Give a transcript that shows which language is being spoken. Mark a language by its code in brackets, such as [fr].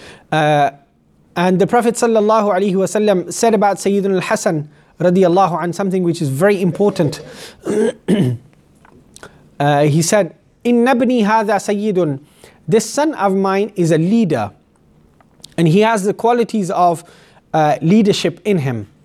[en] And the Prophet sallallahu alaihi wasallam said about Sayyidina al-Hasan radiallahu anhu something which is very important. He said, [ar] إِنَّ ابْنِي هَذَا سَيِّدٌ. [en] This son of mine is a leader, and he has the qualities of leadership in him.